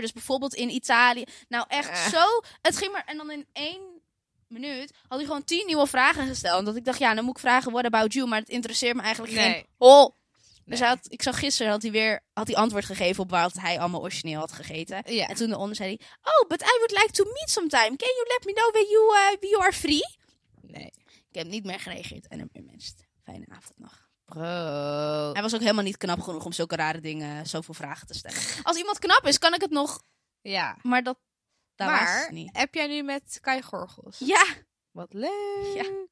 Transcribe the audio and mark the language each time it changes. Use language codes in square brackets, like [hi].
[nl] Dus bijvoorbeeld in Italië. Nou, echt zo. Het ging maar, en dan in één minuut, had hij gewoon 10 nieuwe vragen gesteld. Omdat ik dacht, ja, dan moet ik vragen, [en] what about you? [nl] Maar het interesseert me eigenlijk geen hol. Nee. Dus ik zag gisteren dat hij weer had die antwoord gegeven op wat hij allemaal origineel had gegeten. Ja. En toen eronder zei hij, [en] oh, but I would like to meet sometime. Can you let me know when you are free? [nl] Nee. Ik heb niet meer gereageerd en hem gemist. Fijne avond nog. Bro. Hij was ook helemaal niet knap genoeg om zulke rare dingen, zoveel vragen te stellen. Als iemand knap is, kan ik het nog... Ja. Maar dat... Maar, heb jij nu met Kai Gorgels? Ja. Wat leuk. Ja.